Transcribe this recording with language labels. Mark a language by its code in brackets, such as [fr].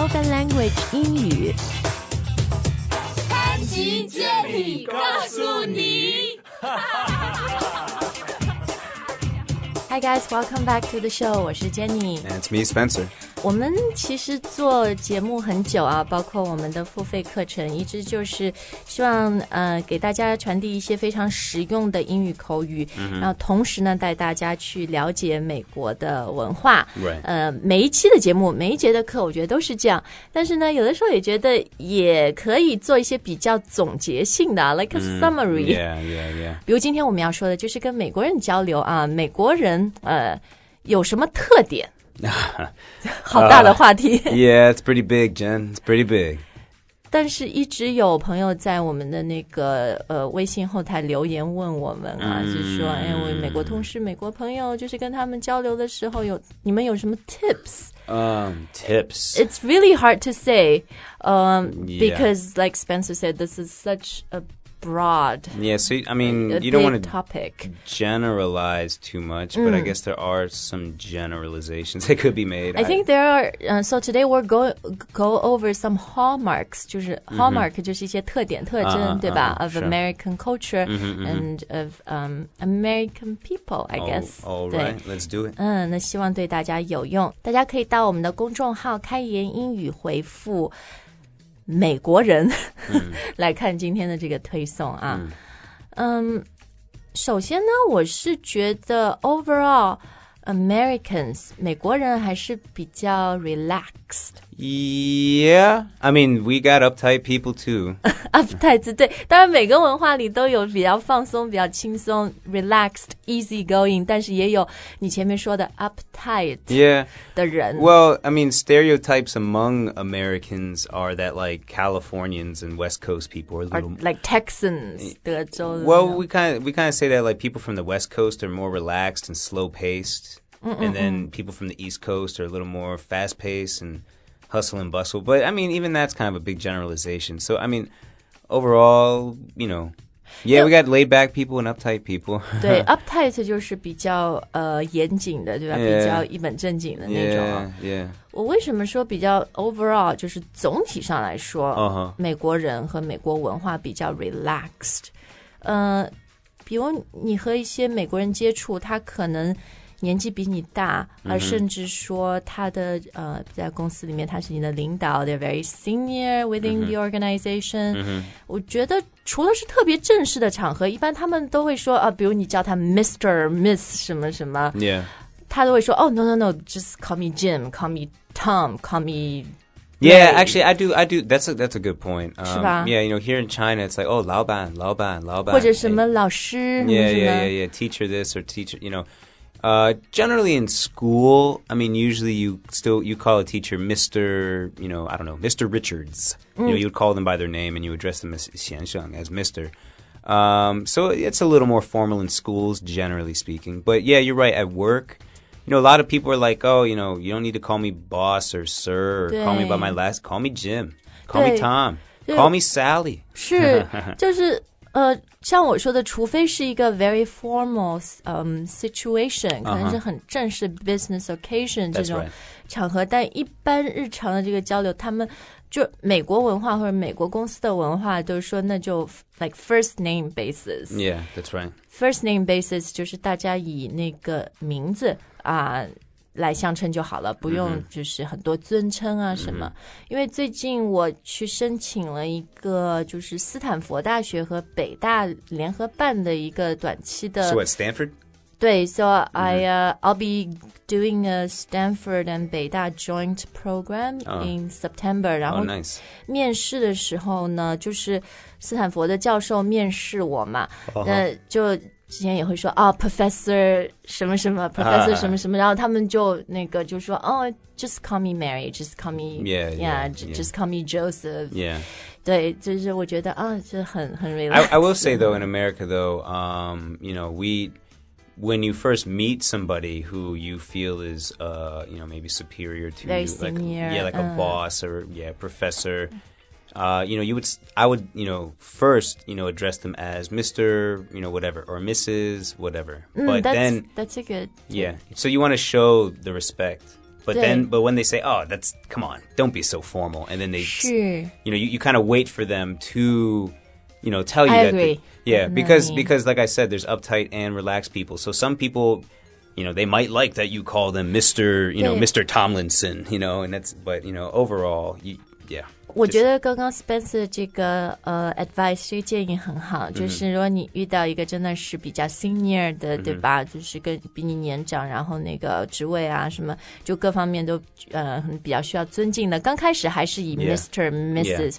[zh] language 英语潘吉建议 告诉你 [en] Hi guys, welcome back to the show. [zh] 我是Jenny. [en] And it's me, Spencer. [zh] 我们其实做节目很久啊, 包括我们的付费课程, 一直就是希望, 给大家传递一些非常实用的英语口语, mm-hmm. 然后同时呢, 带大家去了解美国的文化, [en] right. [zh] 每一期的节目, 每一节的课, 我觉得都是这样, 但是呢, 有的时候也觉得也可以做一些比较总结性的, [en] like a summary. Yeah, yeah, yeah. [zh] 比如今天我们要说的就是跟美国人交流啊, 美国人, 有什么特点? 好大的话题 [en] Yeah, it's pretty big, Jen. It's pretty big. 但是一直有朋友在我们的那个 微信后台留言问我们啊, 就说, 哎,我美国同事, 美国朋友, 就是跟他们交流的时候, 有, 你们有什么tips? Tips. It's really hard to say, yeah. because like Spencer said, this is such a broad. Yeah, so, I mean, you don't want to generalize too much, but I guess there are some generalizations that could be made. I think there are, so today we're go over some hallmarks, 就是 hallmark [zh] 就是一些特点特征, 对吧, [en] of sure. American culture and of American people, I guess. All right, let's do it. [zh] 那希望对大家有用, 大家可以到我们的公众号开言英语回复 美国人 来看今天的这个推送啊 首先呢 我是觉得 [en] overall Americans [zh] 美国人还是比较 relaxed [en] Yeah I mean we got uptight people too [zh] Uptight 对 当然每个文化里都有比较放松比较轻松 [en] relaxed easy going [zh] 但是也有你前面说的 uptight 的人 [en] yeah. Well I mean stereotypes among Americans are that like Californians and West Coast people are a little like Texans 德州 Well we kind of say that like people from the West Coast are more relaxed and slow paced And then people from the East Coast are a little more fast-paced and hustle and bustle. But, I mean, even that's kind of a big generalization. So, I mean, overall, you know, yeah, we got laid-back people and uptight people. [zh] 对, uptight就是比较 严谨的,对吧? [en] Yeah. [zh] 比较一本正经的那种。 [en] Yeah. [zh] 我为什么说比较 overall,就是总体上来说, 美国人和美国文化比较 relaxed. 比如你和一些美国人接触, 他可能 年纪比你大, 而甚至说他的, 在公司里面他是你的领导, [en] they're very senior within the organization. [zh] 我觉得除了是特别正式的场合, 一般他们都会说, 比如你叫他 Mr. Miss什么什么, [en] yeah. [zh] 他都会说, [en] oh, no, just call me Jim, call me Tom, call me... Yeah, actually, I do. That's a good point. [zh] 是吧? [en] Yeah, you know, here in China, it's like, oh, 老板, [zh] 或者什么老师, [en] yeah, teacher this or teacher, you know, generally in school, I mean, usually you call a teacher Mr., you know, I don't know, Mr. Richards. You know, you'd call them by their name and you address them as 先生, as Mr. So it's a little more formal in schools, generally speaking. But yeah, you're right, at work, you know, a lot of people are like, oh, you know, you don't need to call me boss or sir or call me by my last, call me Jim, call me Tom, call me Sally. [zh] 是,就是... 像我说的除非是一个 [en] very formal situation [zh] 可能是很正式 [en] business occasion [zh] 这种场合 [en] right. [zh] 但一般日常的这个交流 他们就美国文化或者美国公司的文化都说那就 [en] like first name basis Yeah, that's right First name basis [zh] 就是大家以那个名字 来相称就好了 不用就是很多尊称啊什么 因为最近我去申请了一个就是斯坦福大学和北大联合办的一个短期的 [en] So at Stanford? [zh] 对, [en] so I'll be doing a Stanford and 北大 joint program in September [zh] 然后面试的时候呢 就是斯坦福的教授面试我嘛 之前也会说 oh, Professor 什么什么 Professor 什么什么 然后他们就那个就说 [en] Oh, just call me Mary Just call me Just call me Joseph Yeah [zh] 对,就是我觉得 就很 relaxed [en] I will say though In America though You know, we When you first meet somebody Who you feel is You know, maybe superior to Very you Very senior like, Yeah, like a boss Or yeah, professor you know, I would, you know, first, you know, address them as Mr., you know, whatever, or Mrs., whatever. But that's, then... That's a good... Yeah. So you want to show the respect. But when they say, oh, that's, come on, don't be so formal. And then they, you know, you kind of wait for them to, you know, tell you I that. Agree. Because like I said, there's uptight and relaxed people. So some people, you know, they might like that you call them Mr., you know, Mr. Tomlinson, you know, and that's, but, you know, overall, yeah. [zh] 我觉得刚刚 Spencer 的这个advice 这个建议很好，就是如果你遇到一个真的是比较 senior 的，对吧？就是跟比你年长，然后那个职位啊什么，就各方面都比较需要尊敬的。刚开始还是以 Mr. Mrs.